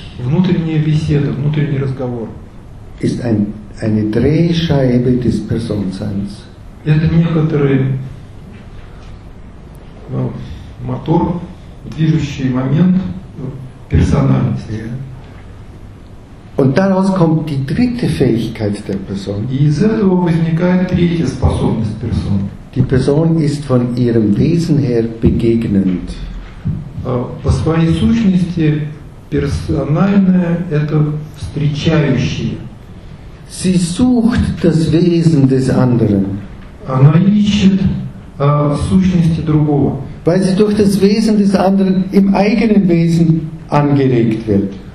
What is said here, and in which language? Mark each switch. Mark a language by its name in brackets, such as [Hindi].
[Russian] Внутренняя беседа, внутренний разговор. [German] Ist eine Drehscheibe des Personseins. [Russian] Это некоторый мотор, движущий момент персональности. [German] Und daraus kommt die dritte Fähigkeit der Person. [Russian] И из этого возникает третья способность персоны. [German] Die Person ist von ihrem Wesen her begegnend. [Russian] По своей сущности персональная – это встречающая. [German] Sie sucht das Wesen des anderen. [Russian] Она ищет сущности другого. [German] Weil sie durch das Wesen des anderen im eigenen Wesen angeregt wird.